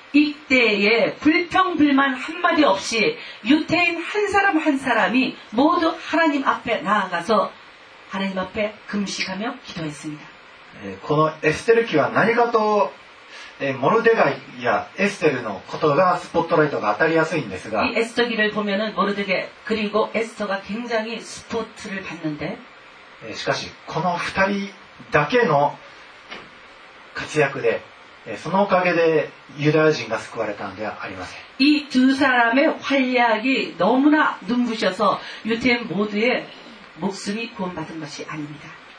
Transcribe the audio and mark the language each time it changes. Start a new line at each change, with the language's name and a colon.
Korean: 이때에불평불만한마디없이유태인한사람한사람이모두하나님앞에나아가서하나님앞에금식하며기도했습니다。
Japanese: このエステル記は何かとモルデガイやエステルのことがスポットライトが当たりやすいんですが、
Korean: 이에스터기를보면은모르드게그리고에스터가굉장히스포트를받는데
Japanese: しかしこの二人だけの活躍でそのおかげでユダヤ人が救われたのではありません。
Korean: 이두사람의활약이너무나눈부셔서유태인모두의목숨이구원받은것이아닙니다。